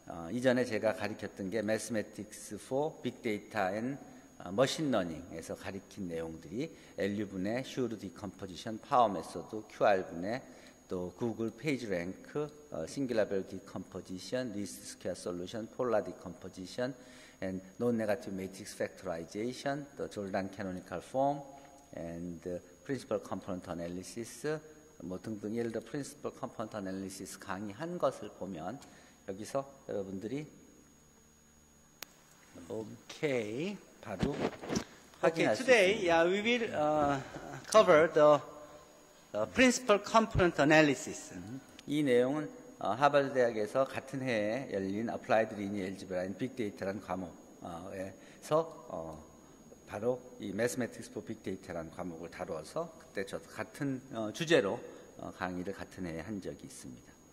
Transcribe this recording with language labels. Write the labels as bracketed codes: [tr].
[ko] 이전에 제가 가르쳤던 게 Mathematics for Big Data and Machine Learning에서 가르친 내용들이 LU분의 Shure Decomposition Power Method, QR분의 또 구글 페이지 랭크, 싱귤라벨 디컴포지션, 리스트 스퀘어 솔루션, 폴라 디컴포지션, 앤 논 네거티브 매트릭스 팩토라이제이션, 또 졸단 캐노니컬 폼, 앤 principal component analysis 뭐 등등 예를 들어 principal component analysis 강의한 것을 보면 여기서 여러분들이 오케이 바로 확인할 [en] okay, today, [ko] 수 있습니다. [en] Yeah, we will cover the principal component analysis. [ko] 이 내용은 하버드 대학에서 같은 해에 열린 Applied Linear Algebra and Big Data라는 과목에서 바로 이 Mathematics for Big Data라는 과목을 다루어서 그때 저도 같은 주제로 강의를 같은 해에 한 적이 있습니다.